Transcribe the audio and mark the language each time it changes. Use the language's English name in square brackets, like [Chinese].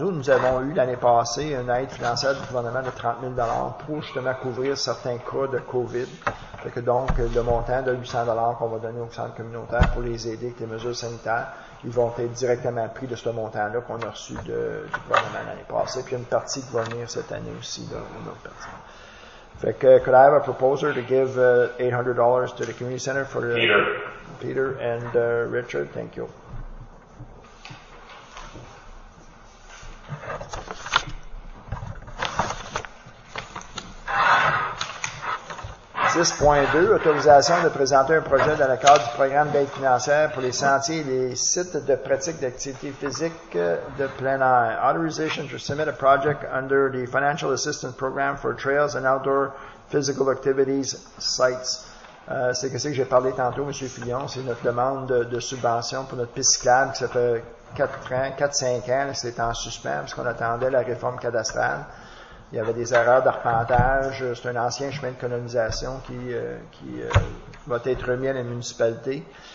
[French] Nous avons eu l'année passée une aide financière du gouvernement de 30 000 $ pour justement couvrir certains cas de COVID. Fait que donc, le montant de 800 $ qu'on va donner au centre communautaire pour les aider avec les mesures sanitaires, ils vont être directement pris de ce montant-là qu'on a reçu du gouvernement l'année passée. Puis il y a une partie qui va venir cette année aussi, là, une autre partie. Fait que, [English] could I have a proposer to give $800 to the community center for Peter and Richard? Thank you. This point 2, [French] autorisation de présenter un projet dans le cadre du programme d'aide financière pour les sentiers et les sites de pratique d'activité physique de plein air. [English] Authorization to submit a project under the Financial Assistance Program for Trails and Outdoor Physical Activities Sites. [French] C'est ce que j'ai parlé tantôt, M. Fillon, c'est notre demande de subvention pour notre piste cyclable qui ça fait 4-5 ans, c'est en suspens parce qu'on attendait la réforme cadastrale. Il y avait des erreurs d'arpentage. C'est un ancien chemin de colonisation qui va être remis à la municipalité.